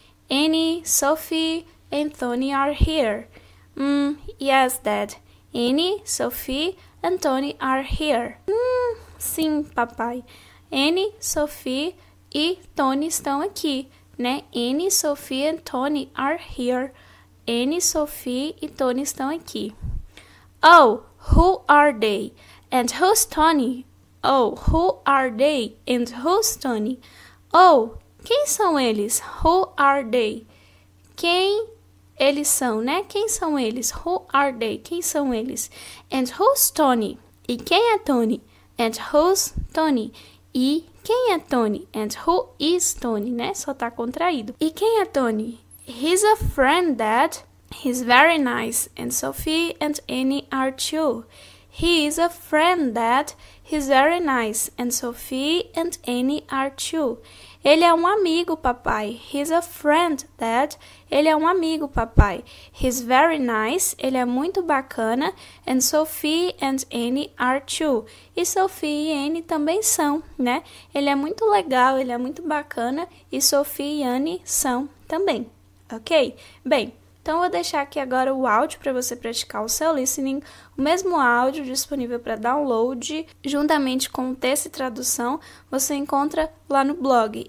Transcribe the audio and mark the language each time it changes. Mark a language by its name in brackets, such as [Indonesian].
[English] Annie, Sophie, and Tony are here. Yes, Dad. Annie, Sophie, and Tony are here. [Portuguese] Sim, papai. Annie, Sophie e Tony estão aqui, né? [English] Annie, Sophie, and Tony are here. [Portuguese] Annie, Sophie e Tony estão aqui. [English] Oh, who are they? And who's Tony? Oh, who are they? And who's Tony? [Portuguese] Oh, quem são eles? [English] Who are they? [Portuguese] Quem eles são, né? Quem são eles? Who are they? Quem são eles? [English] And who's Tony? [Portuguese] E quem é Tony? [English] And who's Tony? [Portuguese] E quem é Tony? [English] And who is Tony, [Portuguese] né? Só tá contraído. E quem é Tony? [English] He's a friend, Dad. He's very nice. And Sophie and Annie are too. He is a friend, Dad. He's very nice. And Sophie and Annie are too. [Portuguese] Ele é um amigo, papai. [English] He's a friend, Dad. [Portuguese] Ele é um amigo, papai. [English] He's very nice. [Portuguese] Ele é muito bacana. [English] And Sophie and Annie are too. [Portuguese] E Sophie e Annie também são, né? Ele é muito legal, ele é muito bacana. E Sophie e Annie são também. Ok? Bem. Então, eu vou deixar aqui agora o áudio para você praticar o seu listening, o mesmo áudio disponível para download, juntamente com o texto e tradução, você encontra lá no blog.